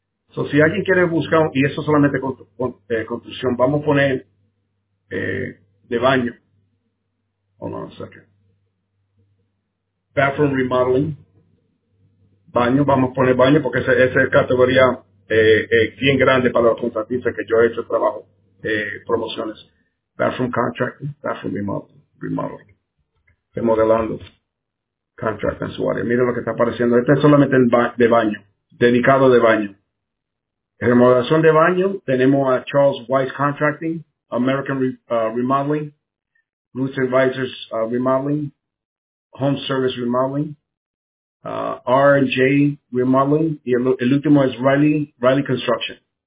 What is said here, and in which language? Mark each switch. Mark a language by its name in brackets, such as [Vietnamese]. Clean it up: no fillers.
[Spanish] So, si alguien quiere buscar, y eso solamente construcción, vamos a poner de baño. [English] Hold on a second. Bathroom remodeling. [Spanish] Baño, vamos a poner baño porque esa es categoría bien grande para los contratistas que yo he hecho trabajo, promociones. [English] Bathroom contracting, bathroom remodeling. [Spanish] Remodelando. Contract en su área. Mira lo que está apareciendo. Este es solamente de baño, dedicado de baño. Remodelación de baño, tenemos a Charles Weiss Contracting, American Remodeling, Roots Advisors Remodeling, Home Service Remodeling, R&J Remodeling, y el último es Riley Construction.